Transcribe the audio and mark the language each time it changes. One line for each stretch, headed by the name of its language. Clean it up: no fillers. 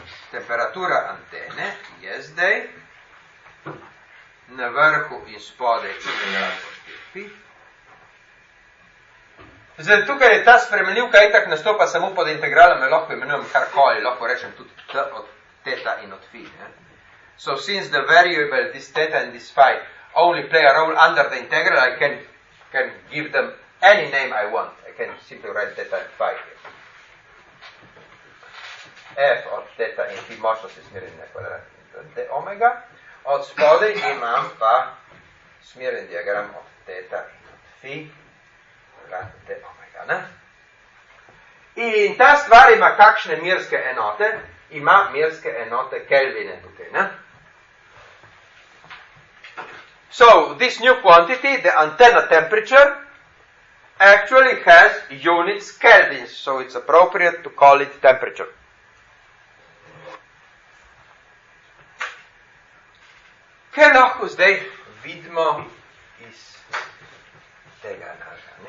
Slovenian: Temperatura antene je zdaj na vrhu in spodaj integral po štirpi. Zdaj, tukaj je ta spremenljivka itak nastopa samo pod integralom, lahko imenujem karkoli, lahko rečem tudi t od teta in od fi. Ne?
English: So since the variable, this theta and this phi, only play a role under the integral, I can give them any name I want. I can simply write theta and phi here.
Slovenian: F od theta in phi, možno se smeri na kvadrat d omega. Od spodaj imam pa smeren diagram od theta in od phi. De omega, ne? In ta stvar ima kakšne merske enote? Ima merske enote Kelvine tukaj. Ne?
English: So, this new quantity, the antenna temperature, actually has units Kelvin, so it's appropriate to call it temperature.
Slovenian: Kaj lahko zdaj vidimo iz tega naša.